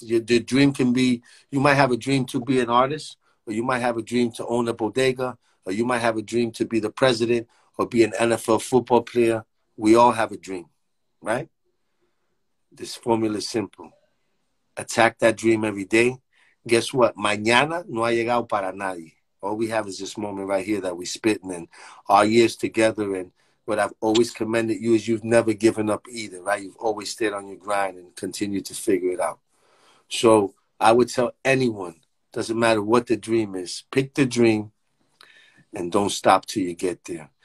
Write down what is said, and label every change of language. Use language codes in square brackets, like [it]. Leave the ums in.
[en] Your, your, dream can be, you might have a dream to be an artist, or you might have a dream to own a bodega, or you might have a dream to be the president or be an NFL football player. We all have a dream, right? This formula is simple. Attack that dream every day. Guess what? [es] Mañana no ha llegado para nadie. [en] All we have is this moment right here that we're spitting in our years together. And what I've always commended you is you've never given up either, right? You've always stayed on your grind and continued to figure it out. So I would tell anyone, doesn't matter what the dream is, pick the dream, and don't stop till you get there.